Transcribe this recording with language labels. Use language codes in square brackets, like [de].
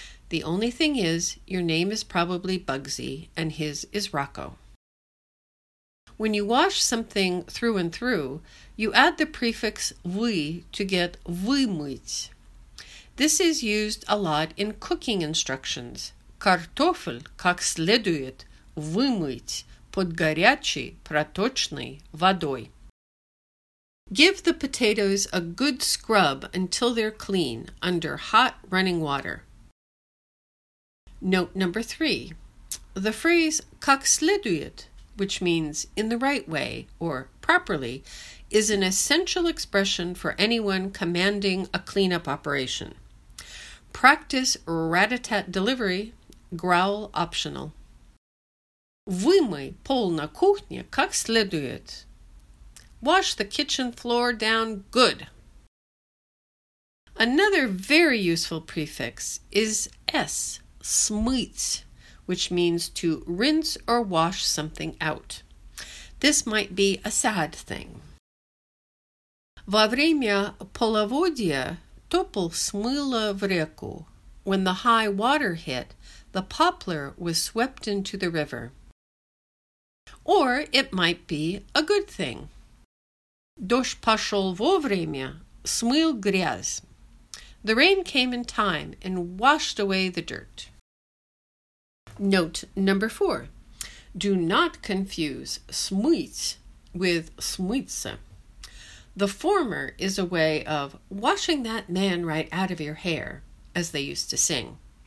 [en] The only thing is, your name is probably Bugsy and his is Rocco. When you wash something through and through, you add the prefix вы to get вымыть. This is used a lot in cooking instructions. [ru] Картофель как следует вымыть под горячей проточной водой. [en] Give the potatoes a good scrub until they're clean under hot running water. Note number three. The phrase [ru] как следует, [en] which means in the right way or properly, is an essential expression for anyone commanding a cleanup operation. Practice rat-a-tat delivery, growl optional. [ru] Вымой пол на кухне как следует. [en] Wash the kitchen floor down good. Another very useful prefix is S, смыть, which means to rinse or wash something out. This might be a sad thing. [ru] Во время половодья топол смыло в реку. [en] When the high water hit, the poplar was swept into the river. Or it might be a good thing. [ru] Дождь пошел вовремя, смыл грязь. [en] The rain came in time and washed away the dirt. Note number four. Do not confuse смыть with смыться. The former is a way of washing that man right out of your hair, as they used to sing.